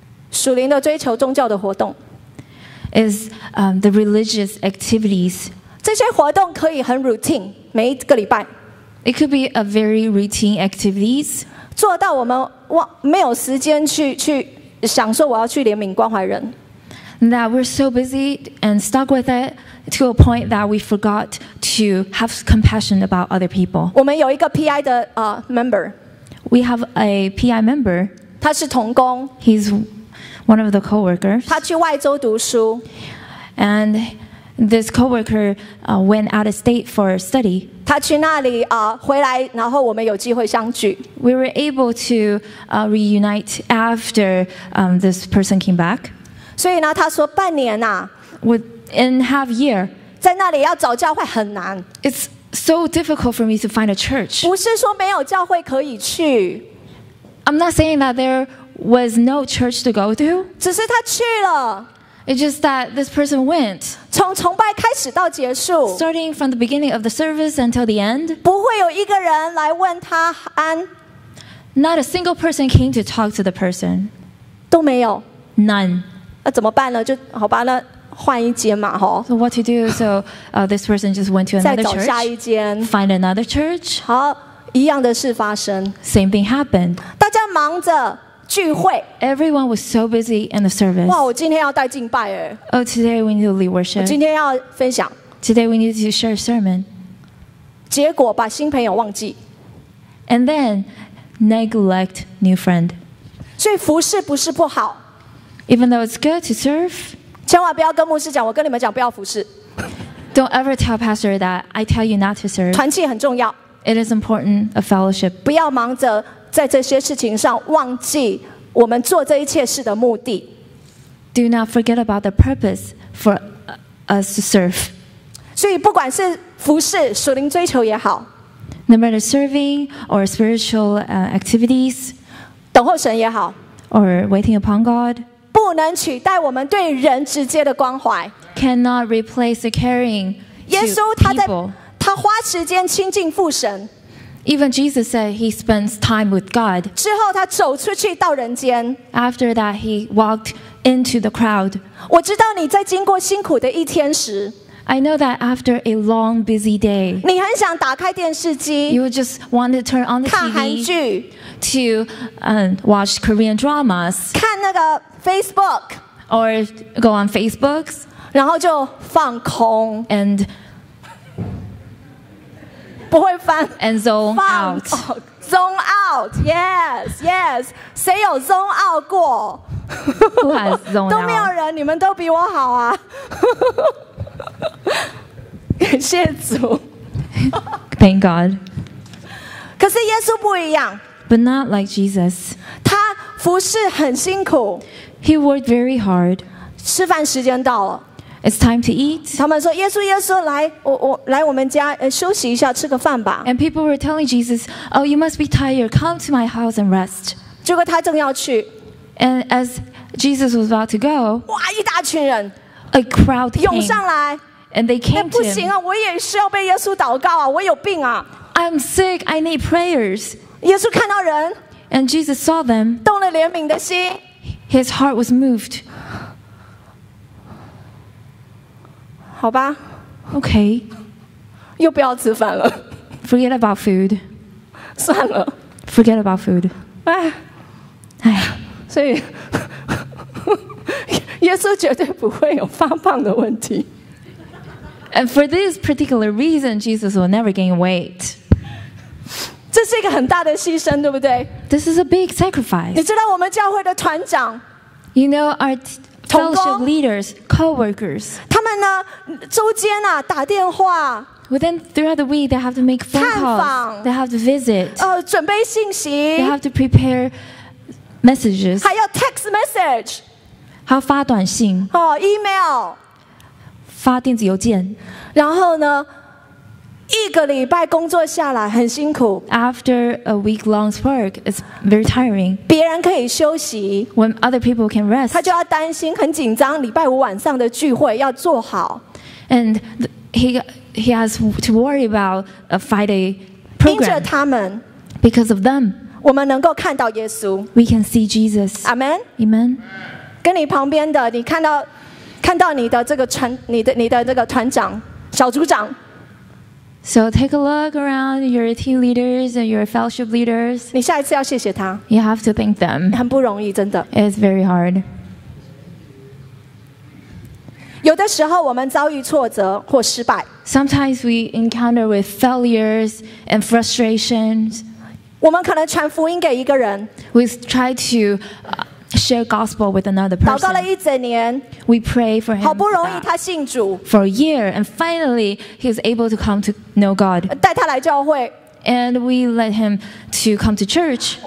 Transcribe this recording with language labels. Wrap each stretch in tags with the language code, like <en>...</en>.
<zh>属灵的追求宗教的活动。</zh> <en>Is the religious activities.</en> <zh>这些活动可以很 routine, 每一个礼拜。</zh> <en>It could be a very routine activities.</en> <zh>做到我们没有时间去想说我要去怜悯关怀人。</zh> <en>That we're so busy and stuck with it to a point that we forgot to have compassion about other people.</en> <zh>我们有一个 PI 的member.</zh> <en>We have a PI member.</en> <zh>他是同工。</zh> <en>He's one of the co-workers.</en> <zh>他去外州读书。</zh> <en>And this co-worker went out of state for study.</en> <zh>他去那里回来然后我们有机会相聚。</zh> <en>We were able to reunite after this person came back.</en> <zh>所以呢他说半年啊</zh> <en>Within half year.</en> <zh>在那里要找教会很难。</zh> <en>It's so difficult for me to find a church.</en> <zh>不是说没有教会可以去。</zh> <en>I'm not saying that there was no church to go to.</en> <zh>只是他去了。</zh> <en>It's just that this person went.</en> <zh>从崇拜开始到结束。</zh> <en>Starting from the beginning of the service until the end.</en> <zh>不会有一个人来问他安。</zh> <en>Not a single person came to talk to the person.</en> <zh>都没有。</zh> <en>None.</en> <zh>那怎么办呢？就好吧，那换一间嘛，哈。</zh> <en>So what to do? So this person just went to another church.</en> <zh>再找下一间。</zh> <en>Find another church.</en> <zh>好，一样的事发生。</zh> <en>Same thing happened.</en> <zh>大家忙着。聚会。</zh> <en>Everyone was so busy in the service.</en> <zh>哇，我今天要带敬拜耶。</zh> <en>Oh, today we need to lead worship.</en> <zh>我今天要分享。</zh> <en>Today we need to share a sermon.</en> <zh>结果把新朋友忘记。</zh> <en>And then neglect new friend.</en> <zh>所以服事不是不好。</zh> <en>Even though it's good to serve.</en> <zh>千万不要跟牧师讲，我跟你们讲不要服事。</zh> <en>Don't ever tell pastor that I tell you not to serve.</en> <zh>团契很重要。</zh> <en>It is important a fellowship.</en> <zh>不要忙着。在这些事情上忘记我们做这一切事的目的。</zh> <en>Do not forget about the purpose for us to serve.</en> <zh>所以不管是服事、属灵追求也好</zh> <en>，No matter serving or spiritual activities，</en> <zh>等候神也好</zh> <en>，or waiting upon God，</en> <zh>不能取代我们对人直接的关怀。</zh> <en>Cannot replace the caring.</en> <zh>耶稣他花时间亲近父神。</zh> <en>Even Jesus said he spends time with God.</en> <zh>之后他走出去到人间。</zh> <en>After that, he walked into the crowd.</en> <zh>我知道你在经过辛苦的一天时。</zh> <en>I know that after a long, busy day.</en> <zh>你很想打开电视机。</zh> <en>You just want to turn on the TV.</en> <zh>看韩剧。</zh> <en>To watch Korean dramas.</en> <zh>看那个 Facebook.</zh> <en>Or go on Facebook.</en> <zh>然后就放空。</zh> <en>And</en> <zh>不会翻</zh> <en>and zone out、 oh, zone out yes yes</en> <zh>谁有</zh> <en>zone out 过 who has zone out</en> <zh>都没有人你们都比我好啊感谢主</zh> <en>thank God</en> <zh>可是耶稣不一样</zh> <en>but not like Jesus</en> <zh>他服事很辛苦</zh> <en>he worked very hard</en> <zh>吃饭时间到了</zh> <en>It's time to eat.</en> <zh>他们说耶稣耶稣来我来我们家休息一下吃个饭吧。</zh> <en>And people were telling Jesus, "Oh, you must be tired. Come to my house and rest."</en> <zh>结果他正要去。</zh> <en>And as Jesus was about to go,</en> <zh>哇，一大群人</zh> <en>，a crowd</en> <zh>涌上来。</zh> <en>And they came to him.</en> <zh>不行啊，我也需要被耶稣祷告啊，我有病啊。</zh> <en>I'm sick. I need prayers.</en> <zh>耶稣看到人</zh> <en>，and Jesus saw them.</en> <zh>动了怜悯的心</zh> <en>，his heart was moved.</en> <zh>好吧</zh> <en>OK</en> <zh>又不要吃饭了</zh> <en>Forget about food</en> <zh>算了</zh> <en>Forget about food</en> <zh>哎所以耶稣绝对不会有发胖的问题</zh> <en>And for this particular reason Jesus will never gain weight</en> <zh>这是一个很大的牺牲对不对</zh> <en>This is a big sacrifice</en> <zh>你知道我们教会的团长</zh> <en>You know our fellowship leaders co-workers</en> <zh>他们呢周间啊打电话</zh> <en>within throughout the week they have to make phone calls</en> <zh>探访</zh> <en>they have to visit</en> <zh>准备信息</zh> <en>they have to prepare messages</en> <zh>还要 text message 还要发短信</zh> <en>email</en> <zh>发电子邮件然后呢一个礼拜工作下来很辛苦</zh> <en>after a week long work it's very tiring</en> <zh>别人可以休息</zh> <en>when other people can rest</en> <zh>他就要担心很紧张礼拜五晚上的聚会要做好</zh> <en>and he has to worry about a Friday program</en> <zh>因着他们</zh> <en>because of them</en> <zh>我们能够看到耶稣</zh> <en>we can see Jesus Amen Amen</en> <zh>跟你旁边的你看到你的这个船你的这个团长小组长</zh> <en>So take a look around your team leaders and your fellowship leaders.</en> <zh>你下一次要谢谢他。</zh> <en>You have to thank them.</en> <zh>很不容易，真的。</zh> <en>It's very hard.</en> <zh>有的时候我们遭遇挫折或失败。</zh> <en>Sometimes we encounter with failures and frustrations.</en> <zh>我们可能传福音给一个人。</zh> <en>We try to share gospel with another person.</en> <zh>祷告了一整年。</zh> <en>We pray for him.</en> <zh>好不容易他信主。</zh> <en>For a year, and finally he was able to come to know God.</en> <zh>带他来教会。</zh> <en>And we let him to come to church.</en>